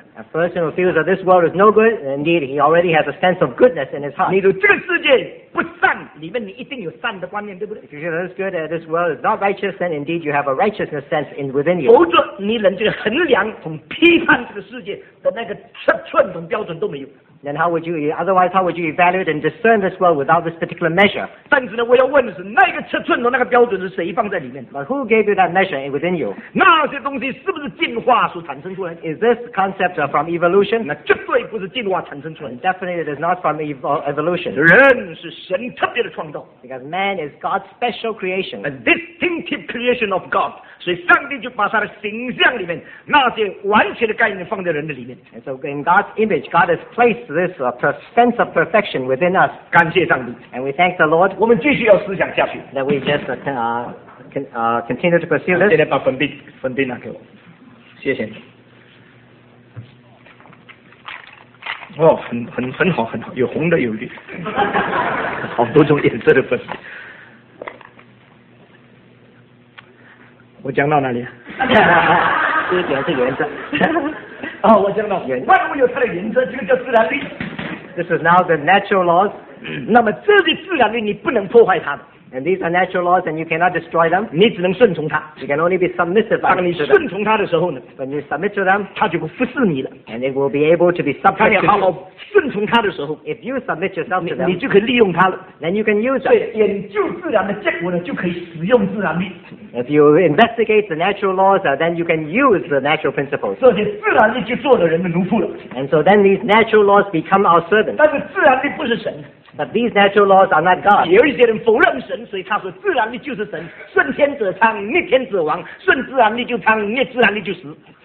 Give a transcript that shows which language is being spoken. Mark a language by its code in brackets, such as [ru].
[en] A person who feels that this world is no good, indeed he already has a sense of goodness in his heart. [zh] 你说这个世界不善，里面你一定有善的观念，对不对？ [en] If you feel that this good, this world is not righteous, then indeed you have a righteousness sense in within you. [zh] 否则你连这个衡量和批判这个世界的那个尺寸和标准都没有。 [en] then how would you, otherwise how would you evaluate and discern this world without this particular measure? [zh] 但是呢，我要问的是，那个尺寸的那个标准是谁放在里面？ [en] But who gave you that measure within you? [zh] 那些东西是不是进化所产生出来？ [en] Is this concept from evolution? [zh] 那绝对不是进化产生出来。 [en] And definitely it is not from evolution. [zh] 人是神特别的创造。 [en] Because man is God's special creation. A distinctive creation of God. [zh] 所以上帝就把他的形象里面那些完全的概念放在人的里面。 [en] And so in God's image, God has placed this sense of perfection within us. [zh] 感谢上帝。 [en] And we thank the Lord. [zh] 我们继续要思想下去。 [en] That we just continue to pursue this. [zh] 现在把粉笔拿给我，谢谢你。哦，很好很好，有红的有绿，好多种颜色的粉笔。我讲到哪里？这个是原则。哦，我讲到原则。万物有它的原则，这个叫自然律。 [en] This is now the natural laws. [zh] 那么这些自然律你不能破坏它。 [en] And these are natural laws, and you cannot destroy them. [zh] 你只能顺从它。 [en] You can only be submissive. [zh] 当你顺从它的时候呢 [en] ？When you submit to them, [zh] 它就不服侍你了。 [en] And it will be able to be subject. [zh] 当你好好顺从它的时候 [en] ，If you submit yourself to them, [zh] 你就可以利用它了。 [en] Then you can use it. [zh] 对，研究自然的结果呢，就可以使用自然律。 [en] If you investigate the natural laws, then you can use the natural principles. [zh] 这些自然律就做了人的奴仆了。 [en] And so then these natural laws become our servants. [zh] 但是自然律不是神。 [en] But these natural laws are not God. [zh] 有一些人否认神，所以他说自然力就是神，顺天者昌，逆天者亡，顺自然力就昌，逆自然力就死。